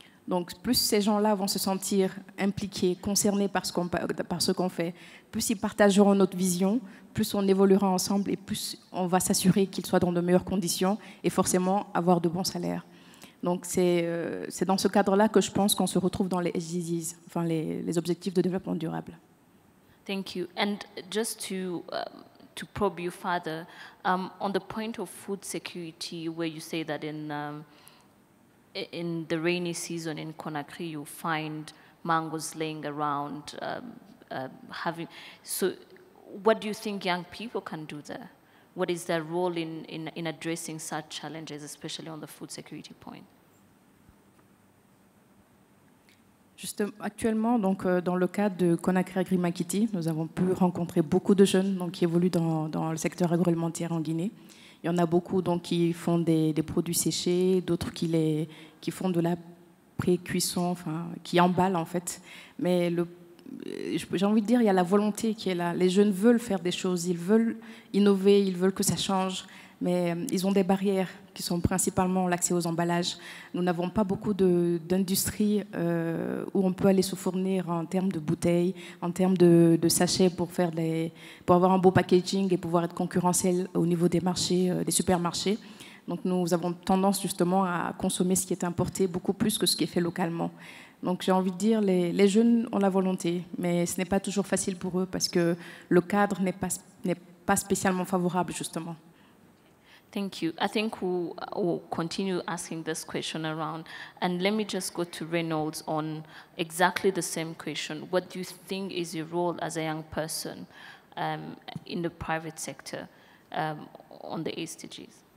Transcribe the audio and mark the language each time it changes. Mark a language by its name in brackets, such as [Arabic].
[French] Donc, plus ces gens-là vont se sentir impliqués, concernés par ce qu'on fait, plus ils partageront notre vision, plus on évoluera ensemble et plus on va s'assurer qu'ils soient dans de meilleures conditions et forcément avoir de bons salaires. Donc c'est dans ce cadre-là que je pense qu'on se retrouve dans les SDGs, enfin les objectifs de développement durable. [English] Thank you. And just to probe you further, on the point of food security, where you say that in in the rainy season in Conakry, you find mangoes laying around, having, so what do you think young people can do there? What is their role in addressing such challenges, especially on the food security point? [French] Justement, actuellement, donc, dans le cadre de Conakry Agri Makiti, nous avons pu rencontrer beaucoup de jeunes donc, qui évoluent dans le secteur agroalimentaire en Guinée. Il y en a beaucoup donc, qui font des produits séchés, d'autres qui font de la pré-cuisson, enfin, qui emballent en fait. Mais j'ai envie de dire, il y a la volonté qui est là. Les jeunes veulent faire des choses, ils veulent innover, ils veulent que ça change. Mais ils ont des barrières qui sont principalement l'accès aux emballages. Nous n'avons pas beaucoup d'industries où on peut aller se fournir en termes de bouteilles, en termes de sachets pour avoir un beau packaging et pouvoir être concurrentiel au niveau des marchés, des supermarchés. Donc nous avons tendance justement à consommer ce qui est importé beaucoup plus que ce qui est fait localement. Donc j'ai envie de dire, les jeunes ont la volonté, mais ce n'est pas toujours facile pour eux parce que le cadre n'est pas spécialement favorable justement. [English] Thank you. I think we'll continue asking this question around. And let me just go to Reynolds on exactly the same question. What do you think is your role as a young person in the private sector on the SDGs?